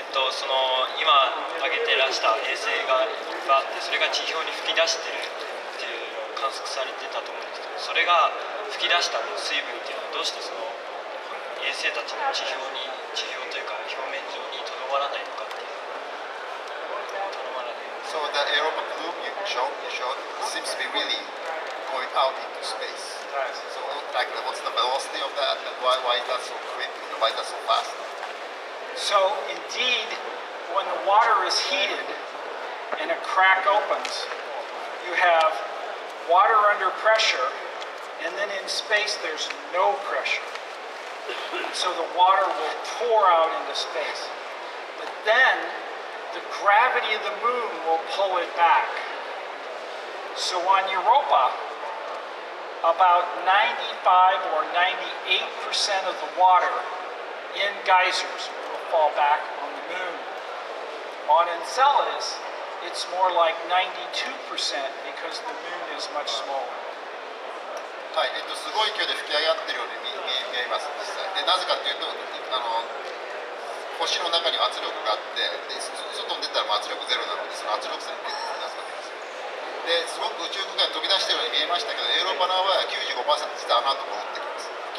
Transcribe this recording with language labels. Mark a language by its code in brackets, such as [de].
[ja] その今挙げてらした衛星がいっぱいあって、それが地表に吹き出してるっていうのを観測されてたと思うんですけど、それが吹き出した水分っていうのはどうしてその衛星たちの地表というか表面上にとどまらないのかっていう。とどまらない。 [en] So the Europa Blue you showed seems to be really going out into space. So, like, what's the velocity of that, and why is that so quick, you know, why is that so fast? So, indeed, when the water is heated and a crack opens, you have water under pressure, and then in space there's no pressure. So the water will pour out into space. But then, the gravity of the moon will pull it back. So on Europa,About 95 or 98% of the water in geysers will fall back on the moon. On Enceladus, it's more like 92% because the moon is much smaller. [ja] はい、すごい勢いで吹き上がっているように見えます、実際。で、なぜかというと、星の中に圧力があって、で、外に出たら圧力ゼロなので、その圧力差に出てくるんですか。ですごく宇宙空間に飛び出したように見えましたけど、エーロパの場合は 95% で実はあの後戻ってきます。